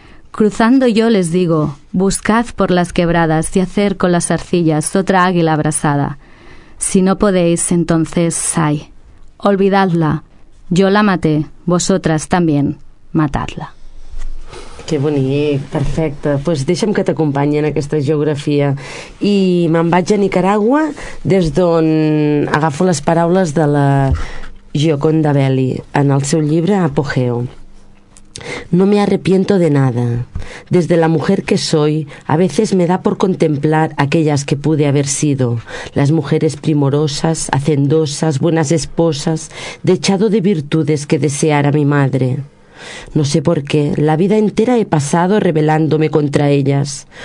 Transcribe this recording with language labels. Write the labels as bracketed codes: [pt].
[es] Cruzando yo les digo, buscad por las quebradas y hacer con las arcillas otra águila abrasada. Si no podéis, entonces, ay, olvidadla. Yo la maté, vosotras también, matadla. [ca] Que bonic, perfecte. Doncs pues deixa'm que t'acompanyi en aquesta geografia. I me'n vaig a Nicaragua, des d'on agafo les paraules de la Gioconda Belli en el seu llibre Apogeo. [es] No me arrepiento de nada. Desde la mujer que soy, a veces me da por contemplar aquellas que pude haber sido, las mujeres primorosas, hacendosas, buenas esposas, dechado de virtudes que deseara mi madre. No sé por qué, la vida entera he pasado rebelándome contra ellas.